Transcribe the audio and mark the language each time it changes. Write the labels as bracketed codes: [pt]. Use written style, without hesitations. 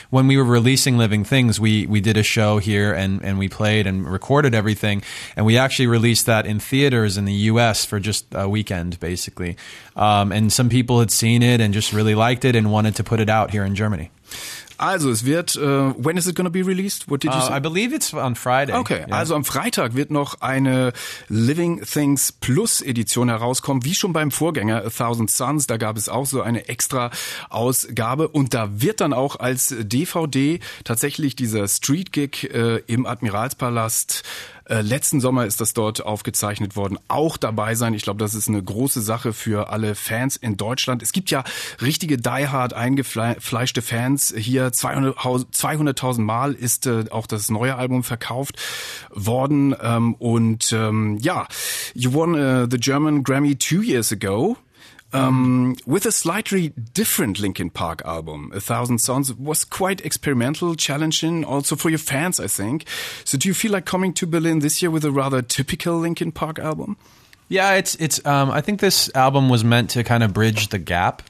[en] When we were releasing Living Things, we did a show here and we played and recorded everything. And we actually released that in theaters in the US for just a weekend, basically. And some people had seen it and just really liked it and wanted to put it out here in Germany. [de] Also, es wird, [en] when is it going to be released? What did you say? I believe it's on Friday. Okay, yeah. [de] Also am Freitag wird noch eine Living Things Plus Edition herauskommen, wie schon beim Vorgänger A Thousand Suns. Da gab es auch so eine extra Ausgabe und da wird dann auch als DVD tatsächlich dieser Street Gig im Admiralspalast, letzten Sommer ist das dort aufgezeichnet worden, auch dabei sein. Ich glaube, das ist eine große Sache für alle Fans in Deutschland. Es gibt ja richtige diehard eingefleischte Fans hier. 200.000 Mal ist auch das neue Album verkauft worden. [en] You won the German Grammy 2 years ago. With a slightly different Linkin Park album, A Thousand Suns was quite experimental, challenging also for your fans, I think. So do you feel like coming to Berlin this year with a rather typical Linkin Park album? Yeah, it's I think this album was meant to kind of bridge the gap.